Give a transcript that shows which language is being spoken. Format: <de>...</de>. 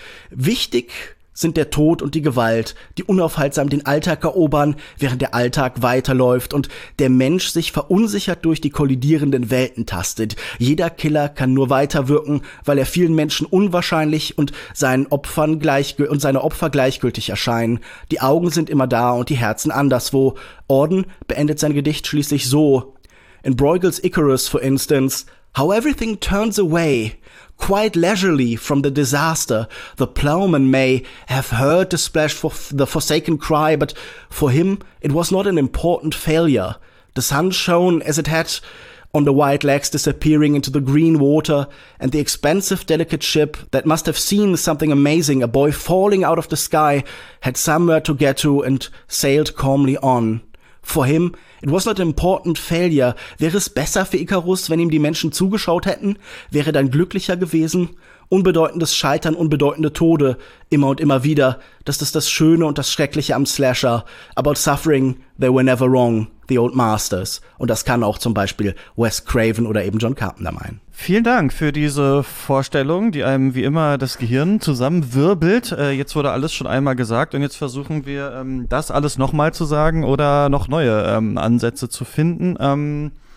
<de>Wichtig sind der Tod und die Gewalt, die unaufhaltsam den Alltag erobern, während der Alltag weiterläuft und der Mensch sich verunsichert durch die kollidierenden Welten tastet. Jeder Killer kann nur weiterwirken, weil er vielen Menschen unwahrscheinlich und seine Opfer gleichgültig erscheinen. Die Augen sind immer da und die Herzen anderswo. Auden beendet sein Gedicht schließlich so.</de> <en>In Bruegel's Icarus, for instance, how everything turns away. Quite leisurely from the disaster, the plowman may have heard the splash of the forsaken cry, but for him it was not an important failure. The sun shone as it had on the white legs disappearing into the green water, and the expensive, delicate ship that must have seen something amazing, a boy falling out of the sky, had somewhere to get to and sailed calmly on. For him, it was not an important failure.</en> <de>Wäre es besser für Icarus, wenn ihm die Menschen zugeschaut hätten? Wäre dann glücklicher gewesen? Unbedeutendes Scheitern, unbedeutende Tode. Immer und immer wieder. Das ist das Schöne und das Schreckliche am Slasher.</de> <en>About suffering, they were never wrong. The old masters.</en> <de>Und das kann auch zum Beispiel Wes Craven oder eben John Carpenter meinen. Vielen Dank für diese Vorstellung, die einem wie immer das Gehirn zusammenwirbelt. Jetzt wurde alles schon einmal gesagt und jetzt versuchen wir, das alles nochmal zu sagen oder noch neue Ansätze zu finden.</de>